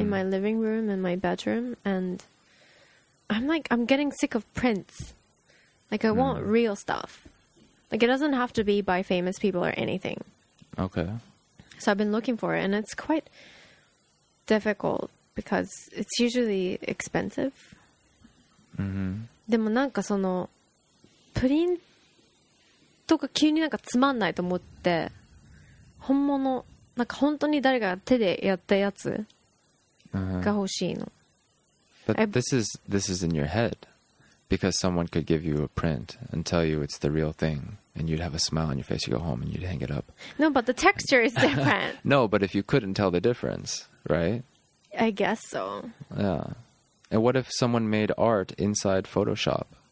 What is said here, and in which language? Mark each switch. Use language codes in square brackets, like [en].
[en] in my living room and my bedroom, and I'm getting sick of prints. Like I、mm. want real stuff. Like it doesn't have to be by famous people or anything. Okay. So I've been looking for it, and it's quite difficult because it's usually expensive. Mm-hmm. [ja] でもなんかそのプリントとか急になんかつまんないと思って本物なんか本当に誰が手でやったやつが欲しいの、 uh-huh. [en] But this is in your head, because someone could give you a print and tell you it's the real thing, and you'd have a smile on your face, you go home and you'd hang it up. No, but the texture is different. No, but if you couldn't tell the difference, right? I guess so. Yeah. And what if someone made art inside Photoshop?